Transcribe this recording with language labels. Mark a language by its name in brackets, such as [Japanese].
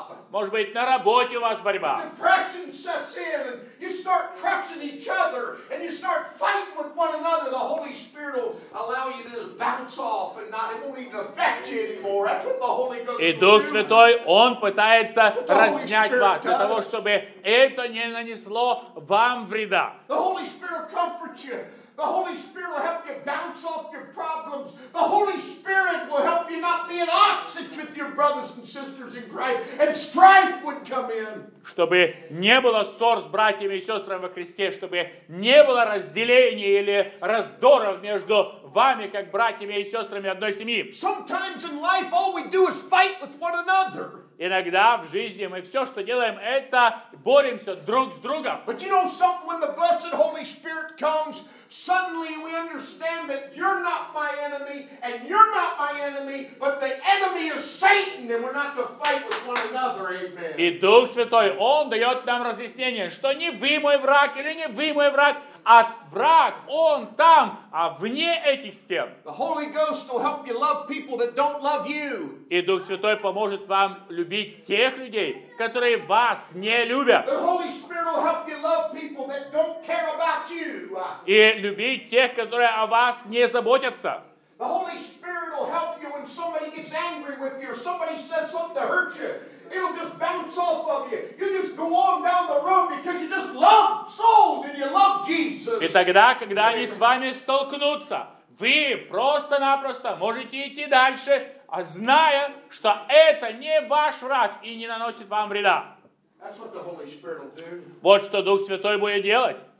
[Russian] Может быть, на работе у вас борьба. [English] Depression sets in, and you start crushing each other, and you start fighting with one another. The Holy Spirit will allow you to bounce off, and not, it won't even affect you anymore. That's what the Holy Ghost will do. [Russian] И Дух Святой, Он пытается разнять вас, для того, чтобы это не нанесло вам вреда. [English] The Holy Spirit will comfort you. The Holy Spirit will help you bounce off your problems. The Holy Spirit will help you not be at odds with your brothers and sisters in Christ, and strife would come in. [Russian] Чтобы не было ссор с братьями и сестрами во Христе, чтобы не было разделения или раздоров между вами, как братьями и сестрами одной семьи. [English] Sometimes in life all we do is fight with one another. [Russian] Иногда в жизни мы все, что делаем, это боремся друг с другом. [English] But you know something, when the blessed Holy Spirit comes, suddenly we understand that you're not my enemy, and you're not my enemy, but the enemy is Satan, and we're not to fight with one another, amen. [Russian] И Дух Святой, Он дает нам разъяснение, что не вы мой враг, или не вы мой враг, а враг, Он там, а вне этих стен. [English] The Holy Ghost will help you love people that don't love you. [Russian] И Дух Святой поможет вам любить тех людей, которые вас не любят. [English] The Holy Spirit will help you love people that don't care about you. [Russian] И любить тех, которые о вас не заботятся. [English] The Holy Spirit will help you when somebody gets angry with you, or somebody says something to hurt you. It'll just bounce off of you. You just go on down the road because you just love souls and you love Jesus. [Russian] И тогда, когда они с вами столкнутся, вы просто-напросто можете идти дальше, а зная, что это не ваш враг и не наносит вам вреда. [English] That's what the Holy Spirit will do. [Russian] Вот что Дух Святой будет делать.